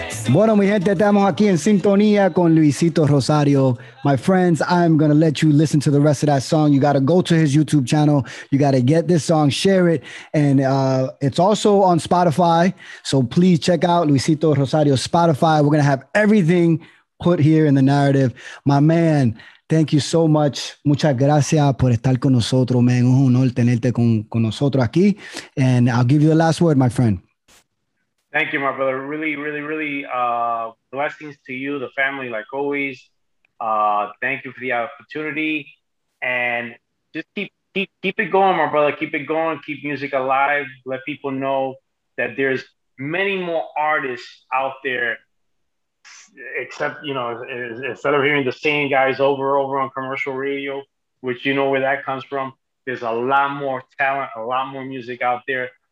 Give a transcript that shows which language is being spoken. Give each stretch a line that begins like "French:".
Spanish: Bueno, mi gente, estamos aquí en sintonía con Luisito Rosario.
English: My friends, I'm going to let you listen to the rest of that song. You got to go to his YouTube channel. You got to get this song, share it. And it's also on Spotify. So please check out Luisito Rosario Spotify. We're going to have everything put here in the narrative. My man, thank you so much.
Spanish: Muchas gracias por estar con nosotros,
English: man.
Spanish: Un honor tenerte con nosotros aquí.
English: And I'll give you the last word, my friend. Thank you, my brother. Really, really, really blessings to you, the family, like always. Thank you for the opportunity. And just keep it going, my brother. Keep it going. Keep music alive. Let people know that there's many more artists out there, except, you know, instead of hearing the same guys over on commercial radio, which you know where that comes from, there's a lot more talent, a lot more music out there.